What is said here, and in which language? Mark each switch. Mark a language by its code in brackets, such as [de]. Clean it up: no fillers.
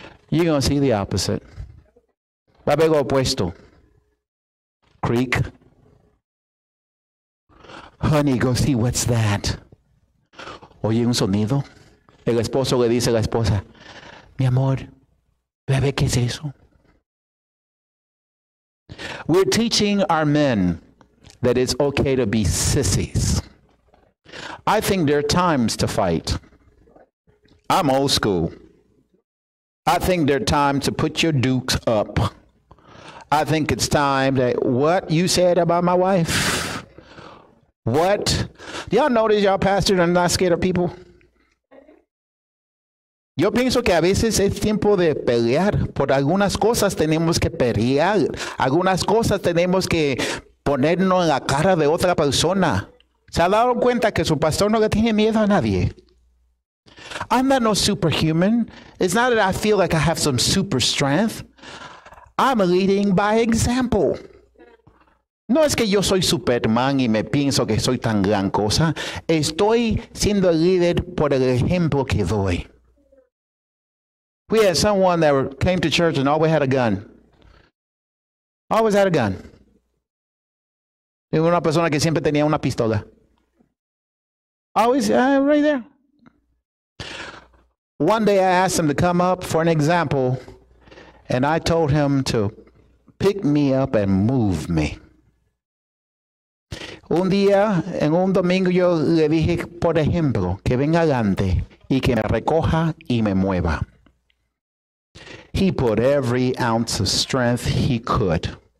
[en] You're going to see the opposite. [es] Va a ver lo opuesto. [en] Creek. Honey, go see what's that. [es] Oye un sonido. El esposo le dice a la esposa, mi amor, ve a ver qué es eso. [en] We're teaching our men that it's okay to be sissies. I think there are times to fight. I'm old school. I think there are times to put your dukes up. I think it's time that what you said about my wife. What? Y'all notice y'all pastors are not scared of people? [es] Yo pienso que a veces es tiempo de pelear. Por algunas cosas tenemos que pelear. Algunas cosas tenemos que ponernos en la cara de otra persona. ¿Se ha dado cuenta que su pastor no le tiene miedo a nadie? [en] I'm not no superhuman. It's not that I feel like I have some super strength. I'm leading by example. [es] No es que yo soy Superman y me pienso que soy tan gran cosa. Estoy siendo líder por el ejemplo que doy. [en] We had someone that came to church and always had a gun. Always had a gun. [es] Y una persona que siempre tenía una pistola. [en] Always right there. One day I asked him to come up for an example, and I told him to pick me up and move me. [es] Un día, en un domingo, yo le dije, por ejemplo, que venga adelante y que me recoja y me mueva. [en] He put every ounce of strength he could.